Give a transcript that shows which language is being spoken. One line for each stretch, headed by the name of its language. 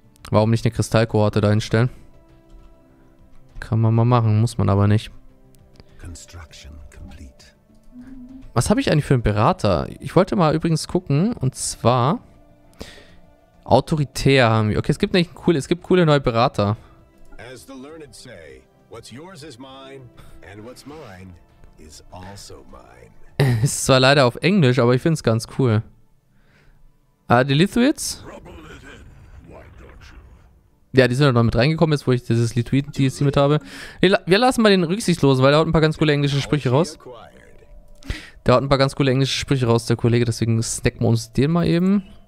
German: Warum nicht eine Kristallkohorte da hinstellen? Kann man mal machen, muss man aber nicht.
English: Construction complete.
German: Was habe ich eigentlich für einen Berater? Ich wollte mal übrigens gucken, und zwar autoritär haben wir. Okay, es gibt nämlich coole, es gibt coole neue Berater.
English: As the learned say, what's yours is mine. And what's mine is also mine.
German: Ist zwar leider auf Englisch, aber ich finde es ganz cool. Ah, die Lithuids? Ja, die sind noch mit reingekommen, jetzt wo ich dieses Lithuid DLC mit habe. Wir lassen mal den Rücksichtslosen, weil der haut ein paar ganz coole englische Sprüche raus. Der haut ein paar ganz coole englische Sprüche raus, der Kollege, deswegen snacken wir uns den mal eben.